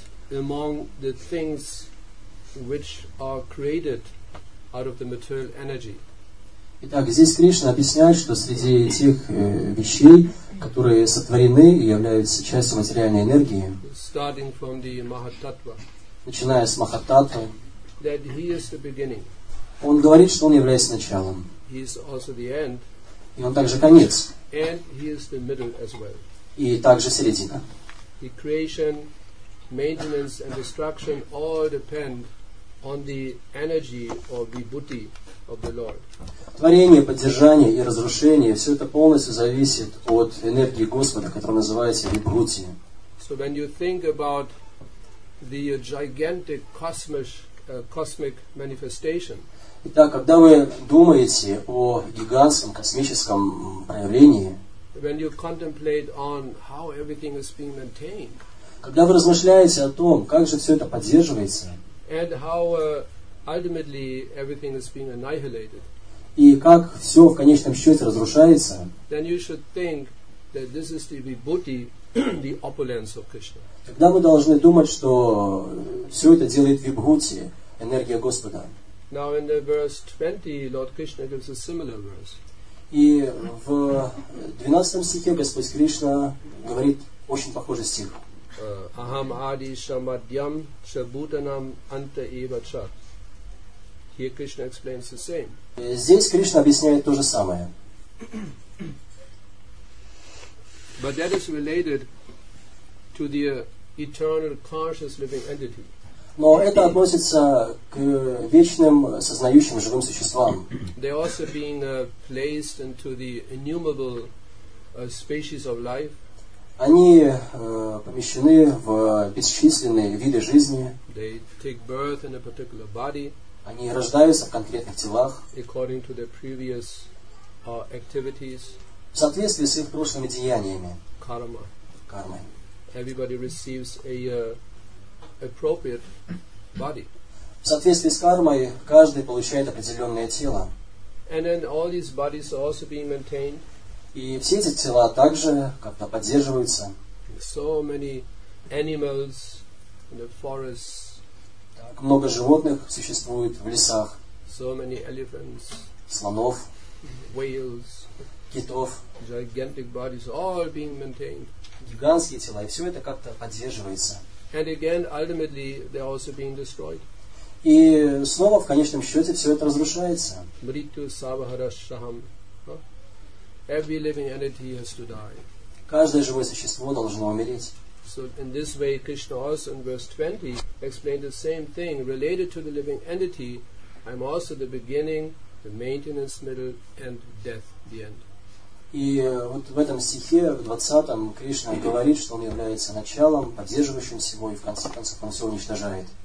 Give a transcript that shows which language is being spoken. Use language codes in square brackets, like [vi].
[en] Among the things which are created out of the material energy. [ru] Итак, здесь Кришна объясняет, что среди тех вещей, которые сотворены и являются частью материальной энергии, [en] starting from the Mahatattva, [ru] начиная с Махататвы, [en] that he is the beginning. [ru] Он говорит, что он является началом. [en] He is also the end, [ru] и он также конец. [en] And he is the middle as well. [ru] И также середина. [en] The creation, maintenance and destruction all depend on the energy or vibhuti of the Lord. [ru] Творение, поддержание и разрушение, все это полностью зависит от энергии Господа, которая называется вибхути. [en] So when you think about the gigantic cosmic manifestation. [ru] Итак, когда вы думаете о гигантском космическом проявлении, [en] when you contemplate on how everything is being maintained. [ru] Когда вы размышляете о том, как же все это поддерживается, [en] and how, ultimately everything is being annihilated, [ru] и как все в конечном счете разрушается, [en] then you should think that this is the vibhuti, the opulence of Krishna. [ru] Тогда вы должны думать, что все это делает вибхути, энергия Господа. [en] Now in the verse 20, Lord Krishna gives a similar verse. [ru] И в 12 стихе Господь Кришна говорит очень похожий стих. [sa] Aham adi shamadyam shabutanam anta eva cha. [en] Here Krishna explains the same. [ru] Здесь Кришна объясняет то же самое. [en] But that is related to the eternal conscious living entity. [ru] Но это относится к вечным сознающим живым существам. [en] They also being placed into the innumerable species of life. [ru] Они помещены в бесчисленные виды жизни. [en] They take birth in a particular body. [ru] Они рождаются в конкретных телах. [en] According to their previous activities. [ru] В соответствии с их прошлыми деяниями. Карма. Карма. [en] Everybody receives a appropriate body. [ru] В соответствии с кармой каждый получает определенное тело. [en] And then all these bodies are also being maintained. [ru] И все эти тела также как-то поддерживаются. [en] So many animals in the forests. [ru] Так много животных существует в лесах. [en] So many elephants. [ru] Слонов. [en] Whales. [ru] Китов. [en] Gigantic bodies all being maintained. [ru] Гигантские тела, и все это как-то поддерживается. [en] And again, ultimately, they're also being destroyed. [ru] И снова, в конечном счете, все это разрушается. [sa] Мриту савахарашахам. [en] Every living entity has to die. [ru] Каждое живое существо должно умереть. [en] So in this way, Krishna also in verse 20 explained the same thing related to the living entity. I'm also the beginning, the maintenance, middle, and death, the end. [ru] И вот в этом стихе, в 20-м, Кришна говорит, что он является началом, поддерживающим всего, и в конце концов он все уничтожает.